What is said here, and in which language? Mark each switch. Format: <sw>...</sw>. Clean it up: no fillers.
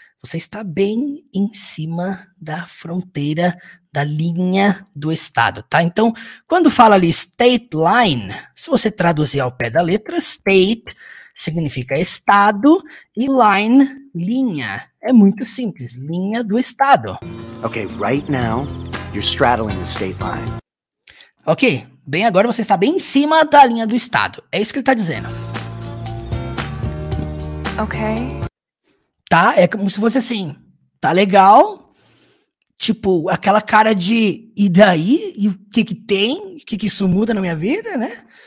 <pt>Você está bem em cima da fronteira da linha do estado, tá? Então, quando fala ali state line, se você traduzir ao pé da letra, state significa estado e line, linha. É muito simples, linha do estado.</pt> <en>Okay, right now, you're straddling the state line.</en> <pt>Ok, bem agora você está bem em cima da linha do estado. É isso que ele está dizendo. Ok. Tá, é como se fosse assim, tá legal, tipo, aquela cara de, e daí, e o que que tem, o que que isso muda na minha vida, né?</pt>